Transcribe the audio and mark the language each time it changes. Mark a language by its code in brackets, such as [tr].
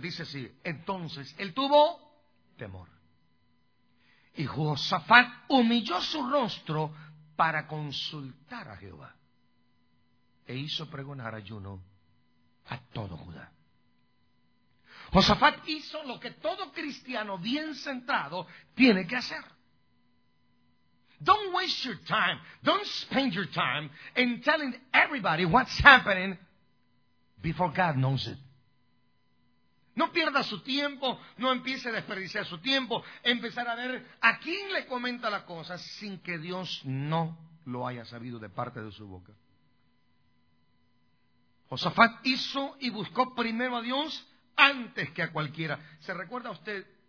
[es] Dice así: entonces él tuvo temor. Y Josafat humilló su rostro para consultar a Jehová. E hizo pregonar ayuno a todo Judá. Josafat hizo lo que todo cristiano bien centrado tiene que hacer. [en] Don't waste your time. Don't spend your time in telling everybody what's happening before God knows it. [es] No pierda su tiempo, no empiece a desperdiciar su tiempo, empezar a ver a quién le comenta la cosa sin que Dios no lo haya sabido de parte de su boca. Josafat hizo y buscó primero a Dios antes que a cualquiera. ¿Se recuerda usted?